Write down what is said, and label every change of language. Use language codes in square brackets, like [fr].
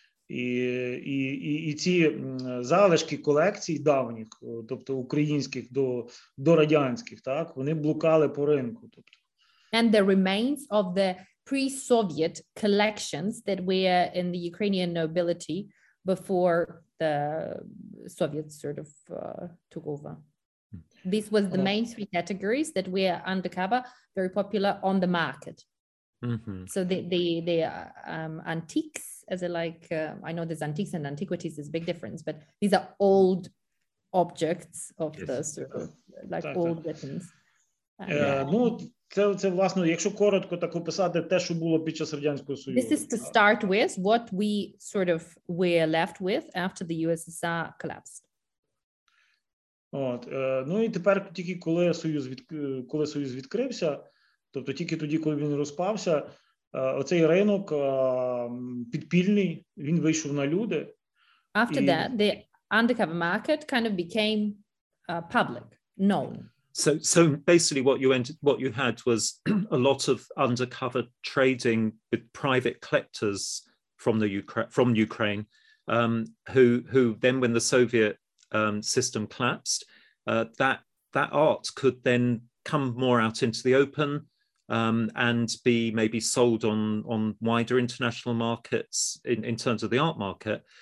[uk] І ці залишки колекцій давніх, тобто українських до радянських, так, вони блукали по ринку. Тобто. [en] And the remains of the pre-Soviet collections that were in the Ukrainian nobility before the Soviets sort of took over. This was the main three categories that were undercover, very popular on the market. Mm-hmm. So the antiques, as in like, I know there's antiques and antiquities, there's a big difference, but these are old objects of the sort of like old weapons. [uk] Ну, це власне, якщо коротко так описати те, що було під час Радянського Союзу. [en] This is to start with what we sort of were left with after the USSR collapsed. [uk] От, ну і тепер тільки коли Союз відкрився, тобто тільки тоді, коли він розпався, оцей ринок підпільний, він вийшов на люди. [en] After that, the undercover market kind of became public, known. So basically what you had was a lot of undercover trading with private collectors from Ukraine who then when the Soviet system collapsed that art could then come more out into the open and be maybe sold on wider international markets in terms of the art market.